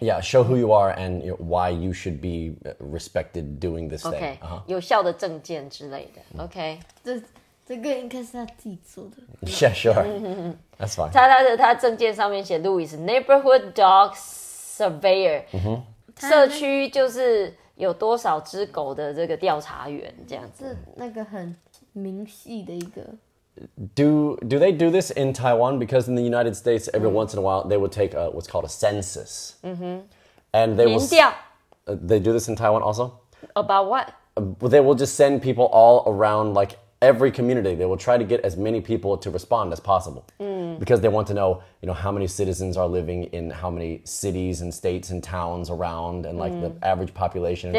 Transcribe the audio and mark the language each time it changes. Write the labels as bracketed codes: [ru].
[en] Yeah, show who you are and why you should be respected doing this thing. [zh] Okay, uh-huh. 有效的证件之类的 Okay. 这个应该是他自己做的 [en] Yeah, sure. That's fine. [zh] 他证件上面写 Louis, [en] Neighborhood Dog Surveyor.、 [zh] Mm-hmm. 社区就是有多少只狗的这个调查员这样子。那个很明细的一个。 [en] Do they do this in Taiwan? Because in the United States, every once in a while, they would take what's called a census. Mm-hmm. And they will... [zh] 民调. [en] They do this in Taiwan also? About what? They will just send people all around, like, every community. They will try to get as many people to respond as possible. Because they want to know, you know, how many citizens are living in how many cities and states and towns around and, like, the average population and、